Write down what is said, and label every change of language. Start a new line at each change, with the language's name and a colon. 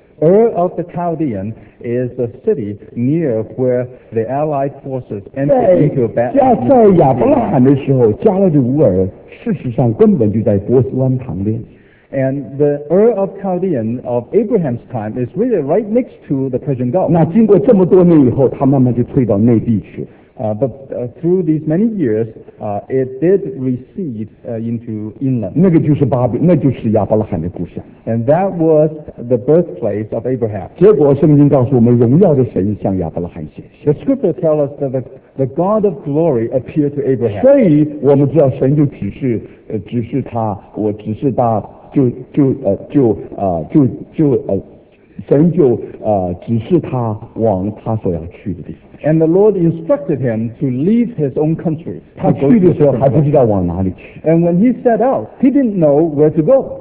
English: Ur of the Chaldean is a city near where the Allied forces entered into battle.
Chinese: 在亚伯拉罕的时候，加勒底乌尔事实上根本就在波斯湾旁边。
English: And the Ur of Chaldean of Abraham's time is really right next to the Persian Gulf.
Chinese: 那经过这么多年以后，他慢慢就退到内地去。
English: Through these many years, it did recede into inland.
Chinese: 那个就是巴比，那就是亚伯拉罕的故乡。
English: And that was the birthplace of Abraham.
Chinese: 结果圣经告诉我们，荣耀的神向亚伯拉罕显现。
English: The scripture tells us that the God of glory appeared to Abraham.
Chinese: 所以我们知道神就指示他，我指示他神就指示他往他所要去的地方。
English: And the Lord instructed him to leave his own country.
Chinese: 他去的时候还不知道往哪里去。
English: And when he set out, he didn't know where to go.